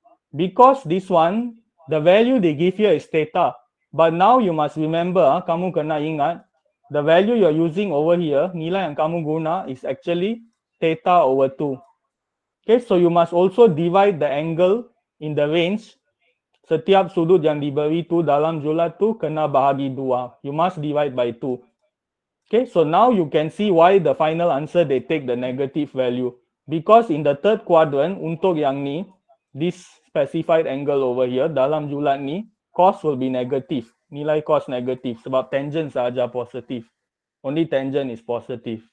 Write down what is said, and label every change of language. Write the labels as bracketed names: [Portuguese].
[English] Because this one, the value they give here is theta. But now you must remember, [Malay] kamu kena ingat, [English] the value you're using over here, [Malay] nilai yang kamu guna [English] is actually theta over 2. Okay, so you must also divide the angle in the range. [Malay] Setiap sudut yang diberi tu dalam jumlah tu kena bahagi 2. [English] You must divide by 2. Okay, so now you can see why the final answer they take the negative value. Because in the third quadrant, [Malay] untuk yang ni, [English] this specified angle over here, [Malay] dalam jumlah ni, [English] cos will be negative. [Malay] Nilai cos negative. Sebab tangent sahaja positive. [English] Only tangent is positive.